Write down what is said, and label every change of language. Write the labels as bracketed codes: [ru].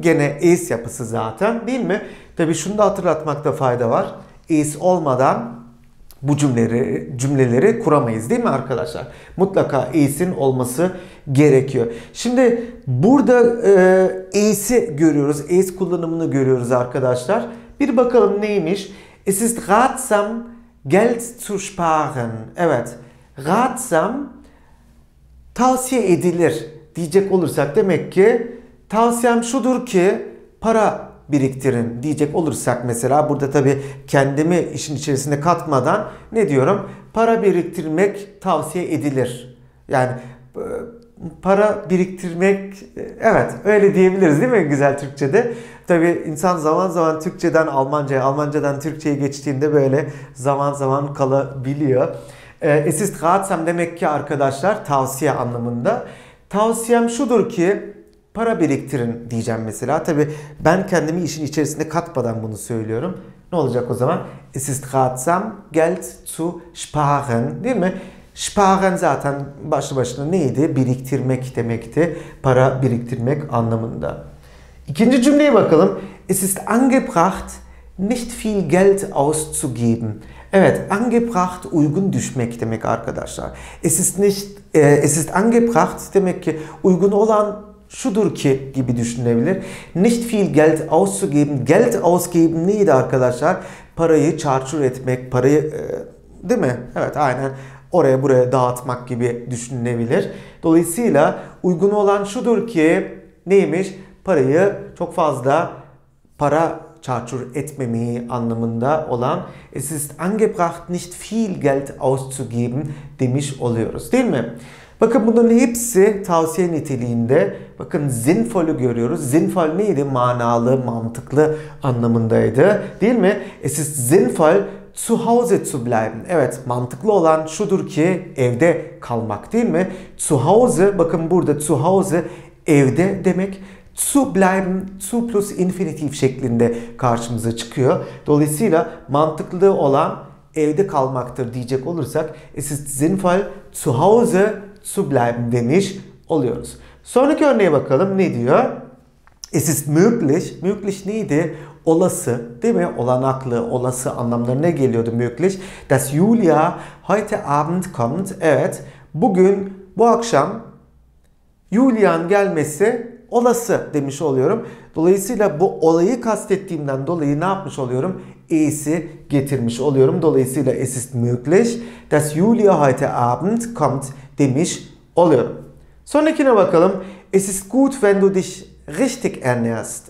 [tr] Gene is yapısı zaten, değil mi? Tabii şunu da hatırlatmakta fayda var. Is olmadan bu cümleleri kuramayız, değil mi arkadaşlar? Mutlaka is'in olması gerekiyor. Şimdi burada is'i görüyoruz. Is kullanımını görüyoruz arkadaşlar. Bir bakalım neymiş? [de] Es ist ratsam Geld zu sparen. [tr] Evet. Ratsam tavsiye edilir diyecek olursak, demek ki tavsiyem şudur ki para biriktirin diyecek olursak, mesela burada tabii kendimi işin içerisine katmadan ne diyorum? Para biriktirmek tavsiye edilir. Yani para biriktirmek, evet öyle diyebiliriz değil mi güzel Türkçe'de? Tabii insan zaman zaman Türkçeden Almanca'ya, Almanca'dan Türkçe'ye geçtiğinde böyle zaman zaman kalabiliyor. [de] Es ist ratsam [tr] demek ki arkadaşlar tavsiye anlamında. Tavsiyem şudur ki para biriktirin diyeceğim mesela. Tabii ben kendimi işin içerisinde katmadan bunu söylüyorum. Ne olacak o zaman? [de] Es ist ratsam Geld zu sparen, [tr] değil mi? Sparen zaten başlı başına neydi? Biriktirmek demekti. Para biriktirmek anlamında. İkinci cümleye bakalım. [de] Es ist angebracht nicht viel Geld auszugeben. [tr] Evet, angebracht uygun düşmek demek arkadaşlar. [de] Es ist angebracht [tr] demek ki uygun olan şudur ki gibi düşünebilir. [de] Nicht viel Geld auszugeben. Geld ausgeben [tr] neydi arkadaşlar? Parayı çarçur etmek, parayı değil mi? Evet, aynen. Oraya buraya dağıtmak gibi düşünülebilir. Dolayısıyla uygun olan şudur ki neymiş? Parayı çok fazla para çarçur etmemeyi anlamında olan [de] es ist angebracht nicht viel Geld auszugeben [tr] demiş oluyoruz, değil mi? Bakın bunların hepsi tavsiye niteliğinde. Bakın sinnvoll'u görüyoruz. Sinnvoll neydi? Manalı, mantıklı anlamındaydı, değil mi? [de] Es ist sinnvoll zu Hause zu bleiben. [tr] Evet, mantıklı olan şudur ki evde kalmak, değil mi? [de] Zu Hause, [tr] bakın burada [de] zu Hause [tr] evde demek. [de] Zu bleiben, [tr] zu plus infinitiv şeklinde karşımıza çıkıyor. Dolayısıyla mantıklı olan evde kalmaktır diyecek olursak [de] es ist sinnvoll zu Hause zu bleiben [tr] demiş oluyoruz. Sonraki örneğe bakalım, ne diyor? [de] Es ist möglich. [tr] Möglich neydi? Olası, değil mi? Olanaklı, olası anlamlarına geliyordu möglich. [de] Dass Julia heute Abend kommt. [tr] Evet, bugün, bu akşam Julia'nın gelmesi olası demiş oluyorum. Dolayısıyla bu olayı kastettiğimden dolayı ne yapmış oluyorum? Es'i getirmiş oluyorum. [de] Dolayısıyla es ist möglich, dass Julia heute Abend kommt [tr] demiş oluyorum. [de] Sonrakine bakalım. Es ist gut, wenn du dich richtig ernährst.